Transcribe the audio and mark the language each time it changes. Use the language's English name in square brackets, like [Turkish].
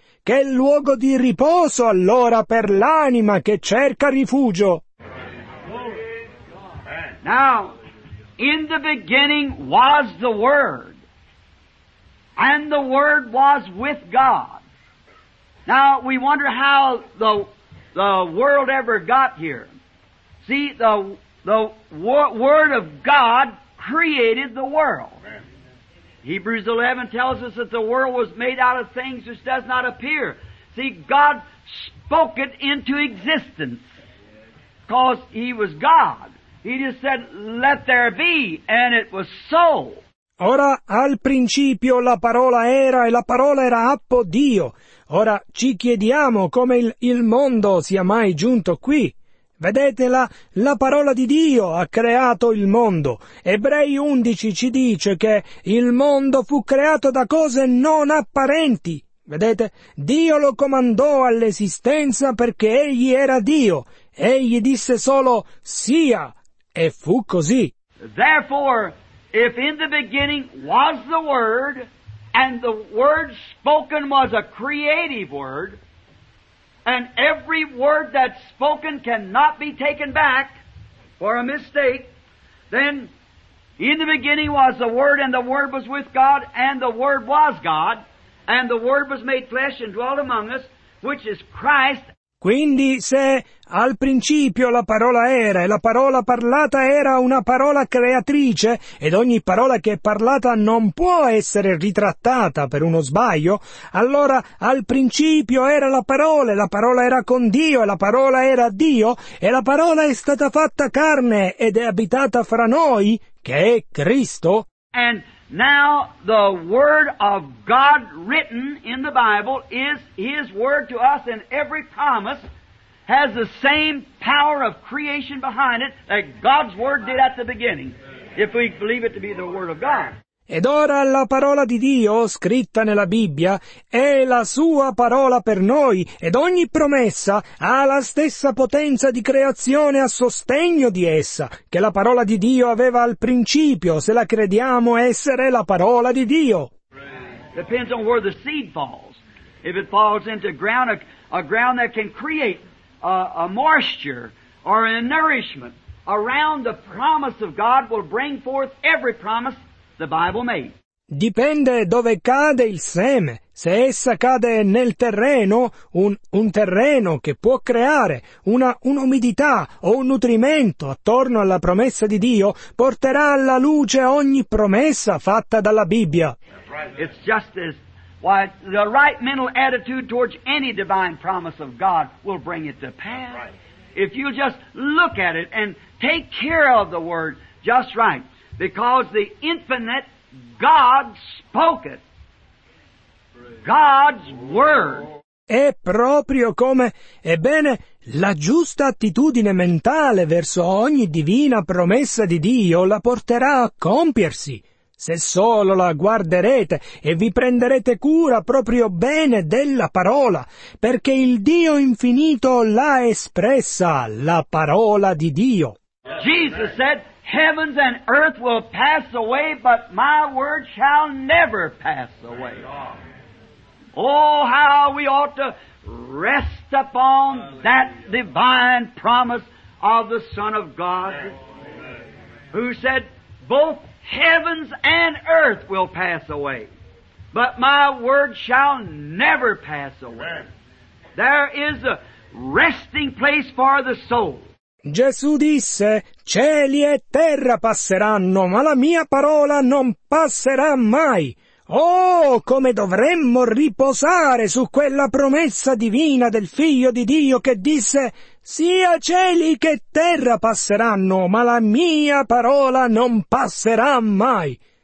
[Italian] Che luogo di riposo allora per l'anima che cerca rifugio? [English] Now, in the beginning was the Word, and the Word was with God. Now, we wonder how the world ever got here. See, the Word of God created the world. Amen. Hebrews 11 tells us that the world was made out of things which does not appear. See, God spoke it into existence because He was God. He just said, let there be, and it was so. [Italian] Ora, al principio la parola era e la parola era appo Dio. Ora ci chiediamo come il mondo sia mai giunto qui. Vedetela, la parola di Dio ha creato il mondo. Ebrei 11 ci dice che il mondo fu creato da cose non apparenti. Vedete, Dio lo comandò all'esistenza perché egli era Dio. Egli disse solo sia e fu così. [English] Therefore, if in the beginning was the Word, and the Word spoken was a creative Word, and every word that's spoken cannot be taken back for a mistake, then in the beginning was the Word, and the Word was with God, and the Word was God, and the Word was made flesh and dwelt among us, which is Christ. [Italian] Quindi se al principio la parola era e la parola parlata era una parola creatrice ed ogni parola che è parlata non può essere ritrattata per uno sbaglio, allora al principio era la parola e la parola era con Dio e la parola era Dio e la parola è stata fatta carne ed è abitata fra noi, che è Cristo. [English] And now the word of God written in the Bible is his word to us, and every promise has the same power of creation behind it that God's word did at the beginning, if we believe it to be the word of God. [Italian] Ed ora la parola di Dio scritta nella Bibbia è la sua parola per noi, ed ogni promessa ha la stessa potenza di creazione a sostegno di essa che la parola di Dio aveva al principio, se la crediamo essere la parola di Dio. [English] Depends on where the seed falls. If it falls into ground, a ground that can create a moisture or a nourishment around the promise of God will bring forth every promise the Bible made. [Italian] Dipende dove cade il seme. Se essa cade nel terreno, un terreno che può creare un'umidità o un nutrimento attorno alla promessa di Dio, porterà alla luce ogni promessa fatta dalla Bibbia. [English] It's just as why the right mental attitude towards any divine promise of God will bring it to pass. Right. If you just look at it and take care of the word just right. Because the infinite God spoke it. God's word. [Italian] È proprio come, ebbene, la giusta attitudine mentale verso ogni divina promessa di Dio la porterà a compiersi. Se solo la guarderete e vi prenderete cura proprio bene della parola, perché il Dio infinito l'ha espressa, la parola di Dio. [English] Jesus said, heavens and earth will pass away, but my word shall never pass away. Oh, how we ought to rest upon that divine promise of the Son of God, who said, both heavens and earth will pass away, but my word shall never pass away. There is a resting place for the soul. [Italian] Gesù disse, cieli e terra passeranno, ma la mia parola non passerà mai. Oh, come dovremmo riposare su quella promessa divina del Figlio di Dio che disse, sia cieli che terra passeranno, ma la mia parola non passerà mai.